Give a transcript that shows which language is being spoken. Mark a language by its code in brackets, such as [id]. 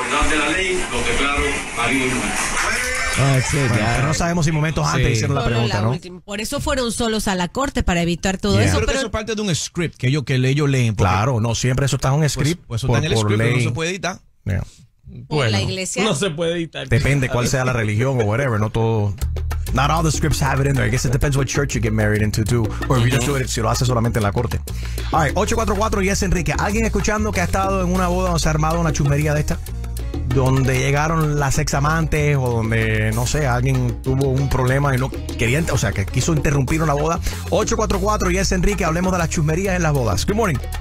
[es] De la ley, lo declaro marido y mujer. Bueno, pero no sabemos si momentos antes hicieron la pregunta, ¿no? Por eso fueron solos a la corte para evitar todo eso. Creo que eso es parte de un script que ellos, que ellos leen. Claro, no, siempre eso está en un script. Pues eso está en el script, pero no se puede editar. Bueno, la iglesia no se puede editar. Depende cuál sea la religión o [en] whatever. [es] No todo. [en] Not all the scripts have it in there. I guess it depends what church you get married into too. Or if you just do it, [es] si lo hace solamente en la corte. All right, 844 y es Enrique. ¿Alguien escuchando que ha estado en una boda donde se ha armado una chusmería de esta? Donde llegaron las ex amantes o donde, no sé, alguien tuvo un problema y no quería, o sea, que quiso interrumpir una boda. 844 y es Enrique. Hablemos de las chusmerías en las bodas. [en] Good morning.